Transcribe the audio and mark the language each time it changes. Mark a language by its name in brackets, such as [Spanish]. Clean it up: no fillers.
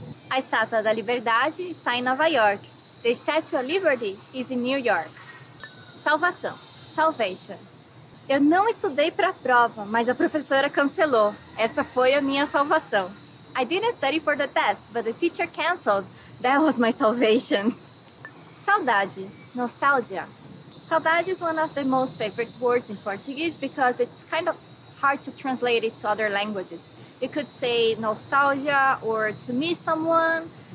[Portuguese] A estátua da Liberdade está em Nova York. [English] The Statue of Liberty is in New York. [Portuguese] Salvação. Salvation. Eu não estudei pra prova, mas a professora cancelou. Essa foi a minha salvação. [English] I didn't study for the test, but the teacher canceled. That was my salvation. Saudade. Nostalgia. Saudade is one of the most favorite words in Portuguese because it's kind of hard to translate it to other languages. You could say nostalgia or to miss someone.